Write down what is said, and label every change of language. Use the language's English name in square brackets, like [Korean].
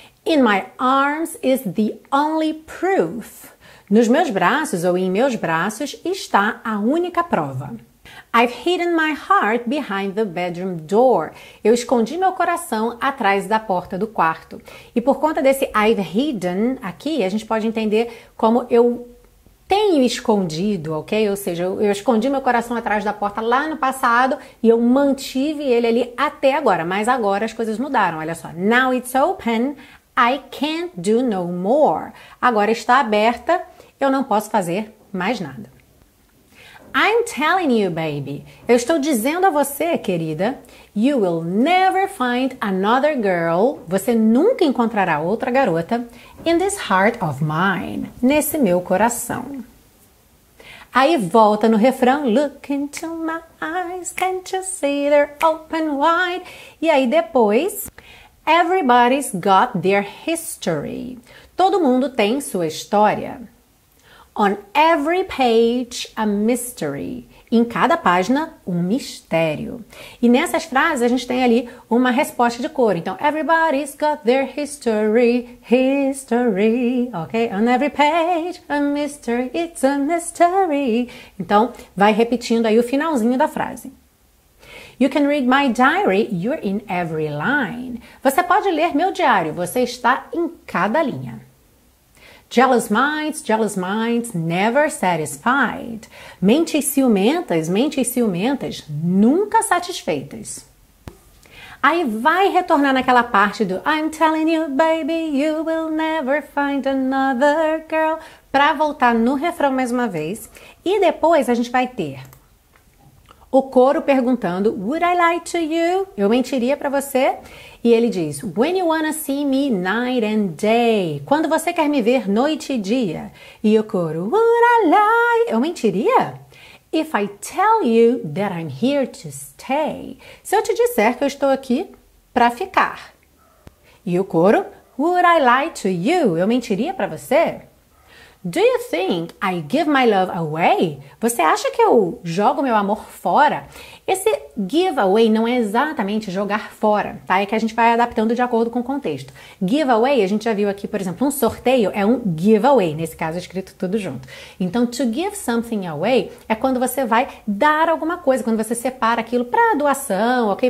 [English] In my arms is the only proof. [Portuguese] Nos meus braços ou em meus braços está a única prova. [English] I've hidden my heart behind the bedroom door. [Portuguese] Eu escondi meu coração atrás da porta do quarto. E por conta desse [English] I've hidden [Portuguese] aqui, a gente pode entender como eu tenho escondido, ok? Ou seja, eu escondi meu coração atrás da porta lá no passado e eu mantive ele ali até agora. Mas agora as coisas mudaram, olha só. [English] Now it's open, I can't do no more. [Portuguese] Agora está aberta, eu não posso fazer mais nada. [English] I'm telling you, baby. [Portuguese] Eu estou dizendo a você, querida. [English] You will never find another girl. [Portuguese] Você nunca encontrará outra garota. [English] In this heart of mine. [Portuguese] Nesse meu coração. Aí volta no refrão. [English] Look into my eyes. Can't you see they're open wide? [Portuguese] E aí depois. [English] Everybody's got their history. [Portuguese] Todo mundo tem sua história. [English] On every page, a mystery. [Portuguese] Em cada página, um mistério. E nessas frases, a gente tem ali uma resposta de coro. [English] Então, everybody's got their history, history. Ok? On every page, a mystery, it's a mystery. [Portuguese] Então, vai repetindo aí o finalzinho da frase. [English] You can read my diary, you're in every line. [Portuguese] Você pode ler meu diário, você está em cada linha. [English] Jealous minds, never satisfied. [Portuguese] Mentes ciumentas, nunca satisfeitas. Aí vai retornar naquela parte do [English] I'm telling you, baby, you will never find another girl. [Portuguese] Pra voltar no refrão mais uma vez. E depois a gente vai ter o coro perguntando, [English] would I lie to you? [Portuguese] Eu mentiria pra você? E ele diz, [English] when you wanna see me night and day? [Portuguese] Quando você quer me ver noite e dia? E o coro, [English] would I lie? [Portuguese] Eu mentiria? [English] If I tell you that I'm here to stay? [Portuguese] Se eu te disser que eu estou aqui pra ficar. E o coro, [English] would I lie to you? [Portuguese] Eu mentiria pra você? [English] Do you think I give my love away? [Portuguese] Você acha que eu jogo meu amor fora? Esse [English] give away [Portuguese] não é exatamente jogar fora, tá? É que a gente vai adaptando de acordo com o contexto. [English] Give away, [Portuguese] a gente já viu aqui, por exemplo, um sorteio é um [English] give away, [Portuguese] nesse caso escrito tudo junto. Então, [English] to give something away [Portuguese] é quando você vai dar alguma coisa, quando você separa aquilo para doação, ok?